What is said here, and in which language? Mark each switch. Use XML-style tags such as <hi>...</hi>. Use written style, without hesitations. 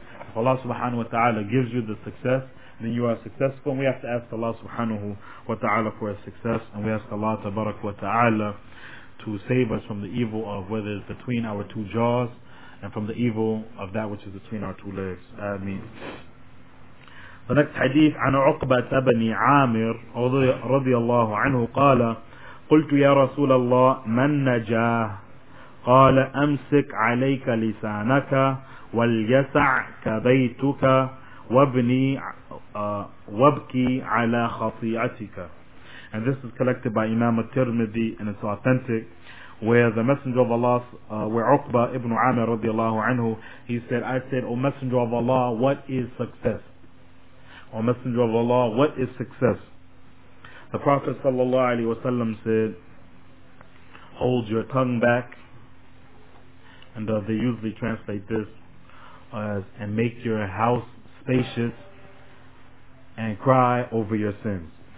<en>If Allah subhanahu wa ta'ala gives you the success, then you are successful. And we have to ask Allah subhanahu wa ta'ala for his success. And we ask Allah tabarak wa ta'ala to save us from the evil of whether it's between our two jaws and from the evil of that which is between our two legs. Ameen.</en> <ar>The next hadith, عن عقبة بن عامر رضي الله عنه قال قلت يا رسول الله من نجاه قال أمسك عليك لسانك واليسع كبيتك وابني وابكي على خطيئتك.</ar> <en>And this is collected by Imam At-Tirmidhi, and it's authentic, where the Messenger of Allah, where Uqba ibn Amir radiallahu anhu, he said, I said, O Messenger of Allah, what is success? O Messenger of Allah, what is success? The Prophet sallallahu alayhi wa sallam said, hold your tongue back, and they usually translate this as, and make your house spacious, and cry over your sins.</en>